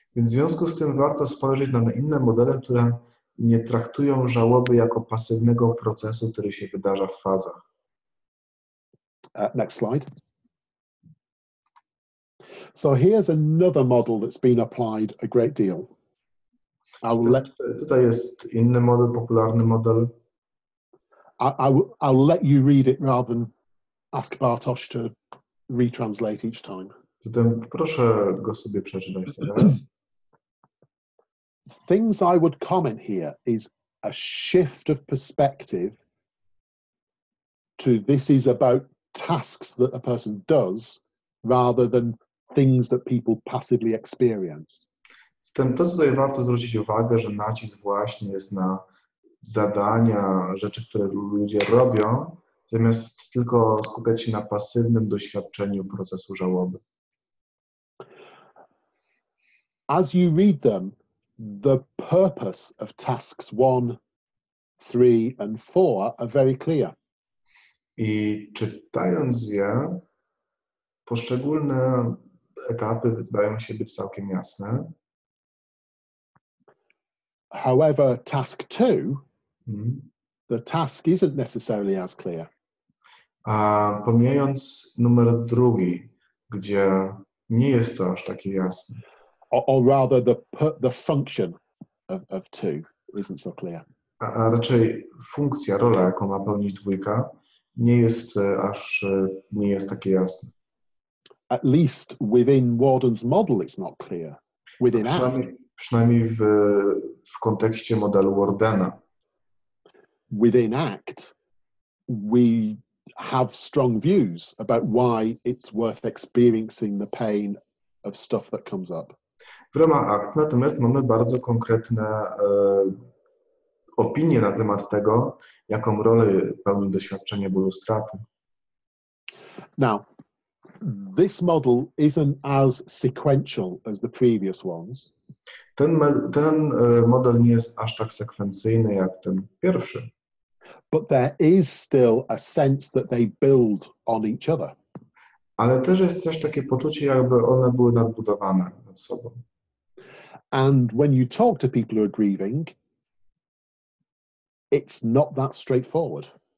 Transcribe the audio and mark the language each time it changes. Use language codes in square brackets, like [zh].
[pl] Więc w związku z tym warto spojrzeć na inne modele, które nie traktują żałoby jako pasywnego procesu, który się wydarza w fazach. [en] Next slide. So here's another model that's been applied a great deal. [pl] Tutaj jest inny model, popularny model. [en] I'll let you read it rather than ask Bartosz to retranslate each time. [pl] Zatem proszę go sobie przeczytać teraz. [en] Things I would comment here is a shift of perspective to this is about tasks that a person does rather than things that people passively experience. [pl] Zatem to, co tutaj warto zwrócić uwagę, że nacisk właśnie jest na zadania, rzeczy, które ludzie robią, zamiast tylko skupiać się na pasywnym doświadczeniu procesu żałoby. [en] As you read them, the purpose of tasks 1, 3, and 4 are very clear. [pl] I czytając je, poszczególne etapy wydają się być całkiem jasne. [en] However, task 2, the task isn't necessarily as clear. [pl] Pomijając numer 2, gdzie nie jest to aż takie jasne. [en] Or rather, the function of 2 isn't so clear. [pl] A raczej funkcja, rola, jaką ma pełnić 2, nie jest takie jasne. [en] At least within Warden's model, it's not clear. Within [pl] przynajmniej w kontekście modelu Wardena. [en] Within ACT, we have strong views about why it's worth experiencing the pain of stuff that comes up. [pl] W ramach ACT natomiast mamy bardzo konkretne opinie na temat tego, jaką rolę pełni doświadczenie bólu straty. [en] Now, this model isn't as sequential as the previous ones. [pl] Ten model nie jest aż tak sekwencyjny jak ten pierwszy. [en] But there is still a sense that they build on each other. [pl] Ale też jest też takie poczucie, jakby one były nadbudowane nad sobą. [en] And when you talk to people who are grieving, it's not that straightforward.